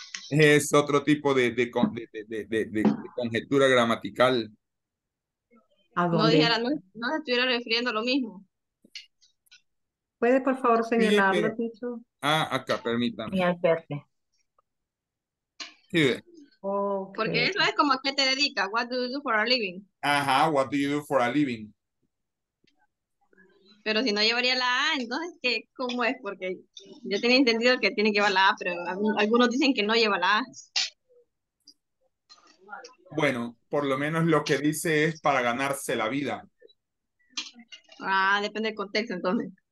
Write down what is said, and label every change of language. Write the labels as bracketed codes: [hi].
[es] Es otro tipo de conjetura gramatical. ¿A dónde? No se estuviera refiriendo a lo mismo. ¿Puede, por favor, señalarlo, Ticho? Ah, acá, permítame. Y al verte. Sí, okay. Porque eso es como a qué te dedicas. [en] What do you do for a living? Ajá, what do you do for a living? [es] Pero si no llevaría la A, entonces, ¿qué? ¿Cómo es? Porque yo tenía entendido que tiene que llevar la A, pero algunos dicen que no lleva la A. Bueno, por lo menos lo que dice es para ganarse la vida. Ah, depende del contexto, entonces.